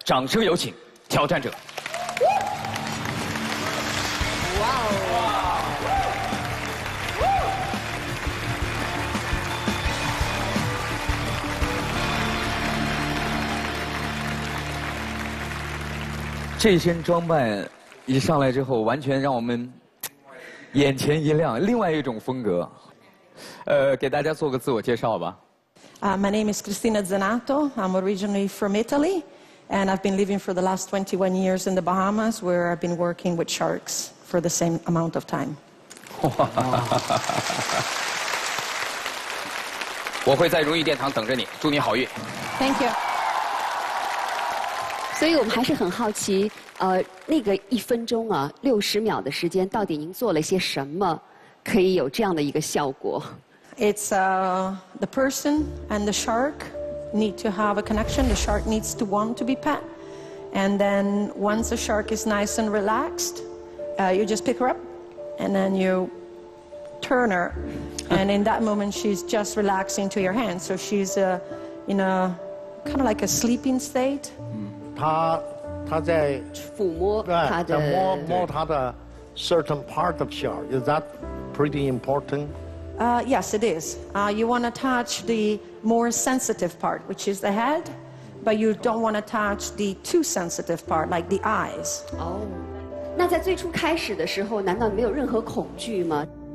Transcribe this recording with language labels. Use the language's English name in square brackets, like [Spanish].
[Chinese] 掌声有请挑战者。哇哦，这身装扮一上来之后，完全让我们眼前一亮，另外一种风格。给大家做个自我介绍吧。 [English] My name is Cristina Zanato. I'm originally from Italy, and I've been living for the last 21 years in the Bahamas, where I've been working with sharks for the same amount of time. [Chinese] 我会在荣誉殿堂等着你，祝你好运。 [English] Thank you. [Chinese] 所以我们还是很好奇，那个一分钟啊，六十秒的时间，到底您做了些什么，可以有这样的一个效果 [English] ？It's the person and the shark need to have a connection. The shark needs to want to be pet, and then once the shark is nice and relaxed, you just pick her up, and then you turn her, and in that moment she's just relaxing to your hand. So she's in a kind of like a sleeping state. [Chinese] 他在抚摸他的摸他的 [English] certain part of shark. Is that pretty important? Yes, it is. You want to touch the more sensitive part, which is the head, but you don't want to touch the too sensitive part, like the eyes. [Chinese] Oh, 那在最初开始的时候，难道没有任何恐惧吗？